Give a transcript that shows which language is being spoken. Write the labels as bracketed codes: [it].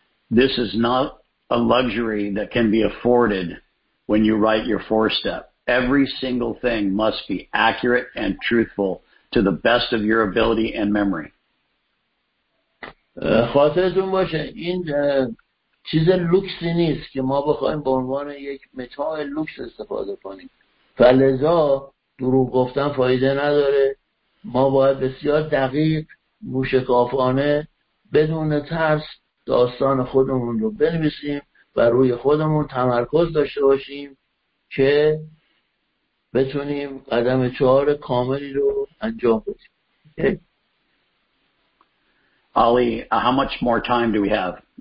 [en] This is not a luxury that can be afforded when you write your four step. Every single thing must be accurate and truthful to the best of your ability and memory. [fa] خاطرتون باشه این چیز لوکسی نیست که ما بخوایم به عنوان یک متاع لوکس استفاده کنیم. فلذا دروغ گفتن فایده نداره. ما باید بسیار دقیق موشکافانه بدون ترس داستان خودمون رو بنویسیم و روی خودمون تمرکز داشته باشیم که بتونیم قدم چهار کاملی رو انجام بدیم. [en] Ali, how much more time do we have?